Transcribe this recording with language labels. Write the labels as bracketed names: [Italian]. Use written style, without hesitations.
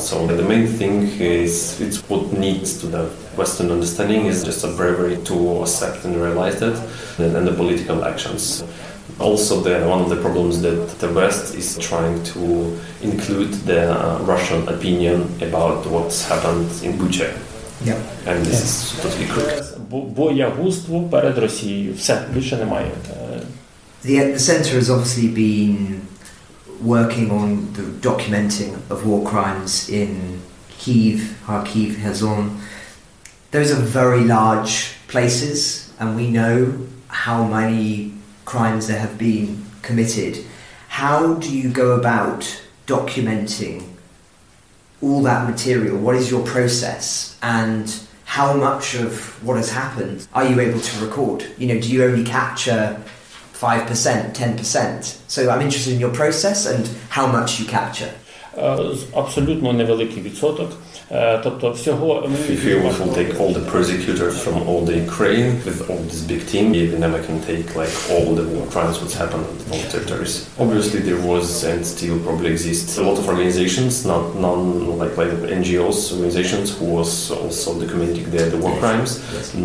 [English] So the main thing is, it's what needs to the Western understanding is just a bravery to accept and realize that, and the political actions. Also, one of the problems that the West is trying to include the Russian opinion about what's happened in Bucha. Yeah. And this is totally crooked. [Ukrainian] Боягузтво перед Росією. Все, більше немає. [English] The center has obviously been working on the documenting of war crimes in Kyiv, Kharkiv, Kherson. Those are very large places, and we know how many crimes there have been committed. How do you go about documenting all that material? What is your process, and how much of what has happened are you able to record? You know, do you only capture 5%, 10%? So I'm interested in your process and how much you capture. [Ukrainian] Абсолютно невеликий відсоток. Тобто всього [English] if you want to take all the prosecutors from all the Ukraine with all this big team, maybe then I can take like all the war crimes what's happened on the territories. Obviously there was and still probably exists a lot of organizations, not non like NGOs, organizations who was also documenting the war crimes. Yes.